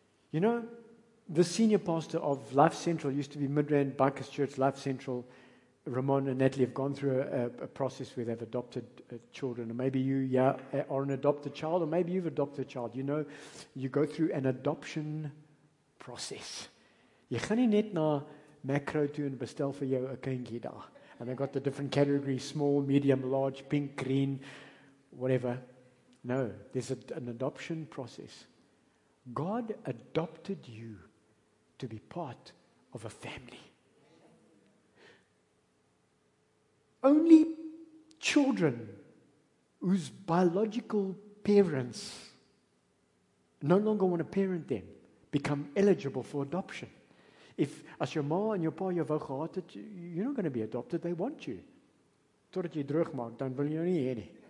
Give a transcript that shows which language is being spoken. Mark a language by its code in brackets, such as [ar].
[en] You know, the senior pastor of Life Central, used to be Midrand Bikers Church, Life Central, Ramon and Natalie have gone through a process where they've adopted children. And maybe you are an adopted child, or maybe you've adopted a child. You know, you go through an adoption process. [af] You gaan nie net na Makro toe en bestel vir jou 'n kindjie daar. [en] And they've got the different categories, small, medium, large, pink, green, whatever. No, there's an adoption process. God adopted you to be part of a family. Only children whose biological parents no longer want to parent them become eligible for adoption. As your ma and your pa [af] jou wou gehad het, [en] you're not going to be adopted, they want you. [af] Totdat jy droog maak, dan wil jy jou nie hê nie.